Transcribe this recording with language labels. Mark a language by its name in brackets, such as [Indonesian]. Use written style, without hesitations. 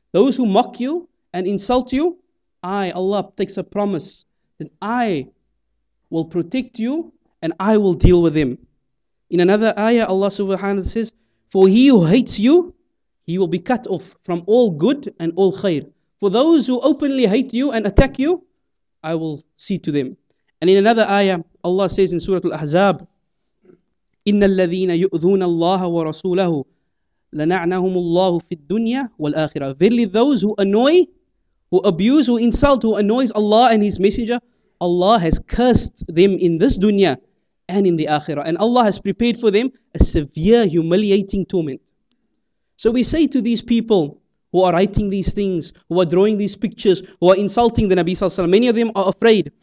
[English] Those who mock you and insult you, I, Allah, takes a promise that I will protect you and I will deal with them. In another ayah, Allah subhanahu wa ta'ala says, for he who hates you, he will be cut off from all good and all khair. For those who openly hate you and attack you, I will see to them. [Arabic] And in another ayah, Allah says in Surah Al-Ahzab, إِنَّ الَّذِينَ يُؤْذُونَ اللَّهَ وَرَسُولَهُ لَنَعْنَهُمُ اللَّهُ فِي الدُّنْيَا وَالْآخِرَةِ. [English] Verily those who annoy, who abuse, who insult, who annoys Allah and His Messenger, Allah has cursed them in this dunya and in the akhirah. And Allah has prepared for them a severe humiliating torment. So we say to these people who are writing these things, who are drawing these pictures, who are insulting the Nabi Sallallahu Alaihi Wasallam, many of them are afraid.